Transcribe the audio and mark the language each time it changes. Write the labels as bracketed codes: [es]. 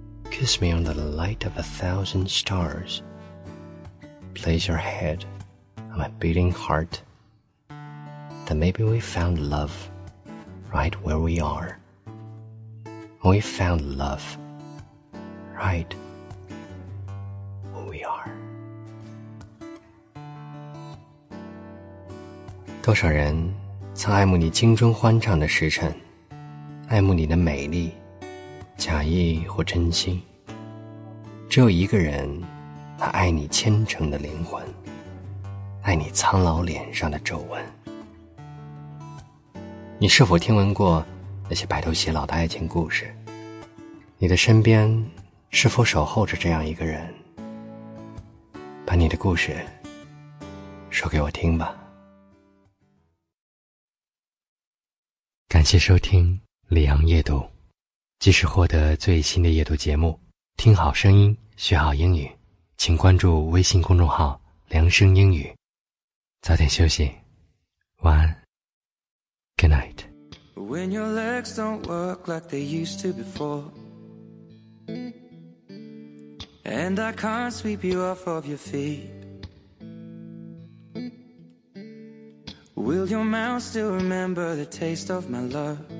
[en] Kiss me on the light of 1,000 stars. Place your head on my beating heart. Then maybe we found love right where we are. We found love right where we are. [zh] 多少人曾爱慕你青春欢畅的时辰，爱慕你的美丽，假意或真心，只有一个人，他爱你虔诚的灵魂，爱你苍老脸上的皱纹。你是否听闻过那些白头偕老的爱情故事？你的身边是否守候着这样一个人？把你的故事说给我听吧。感谢收听李昂夜读，即使获得最新的夜读节目，听好声音，学好英语，请关注微信公众号梁声英语。早点休息，晚安。 [en] Good night. When your legs don't work like they used to before, And I can't sweep you off of your feetWill your mouth still remember the taste of my love?